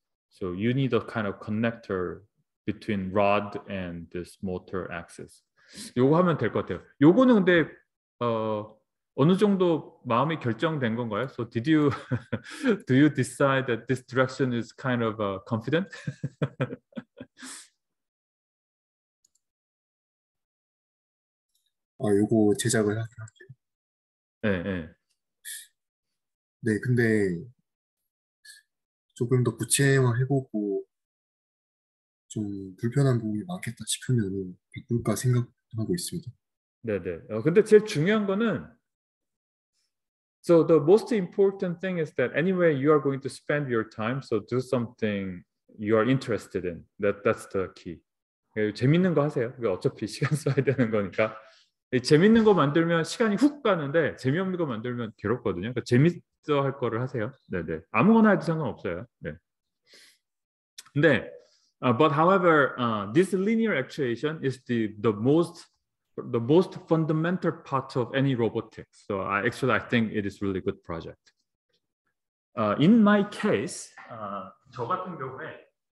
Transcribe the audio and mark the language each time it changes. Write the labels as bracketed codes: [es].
[en] So you need a kind of connector between rod and this motor axis. [ko] 요거 하면 될 것 같아요. 요거는 근데 어느 정도 마음이 결정된 건가요? [en] So did you do you decide that this direction is kind of confident? [ko] 아 요거 제작을 할게요. 네, 네. 네, 근데 조금 더 구체화 해보고 좀 불편한 부분이 많겠다 싶으면 바꿀까 생각. 하고 있습니다. 네, 네. [en] 근데 제일 중요한 거는 so the most important thing is that anyway you are going to spend your time so do something you are interested in. That's the key. 재밌는 거 하세요. [ko] 어차피 시간 써야 되는 거니까. 재밌는 거 만들면 시간이 훅 가는데 재미없는 거 만들면 괴롭거든요. 그러니까 재밌어 할 거를 하세요. 네, 네. 아무거나 해도 상관없어요. 네. [en] 근데 but however, this linear actuation is the most fundamental part of any robotics. So I think it is a really good project. In my case, 저 같은 경우에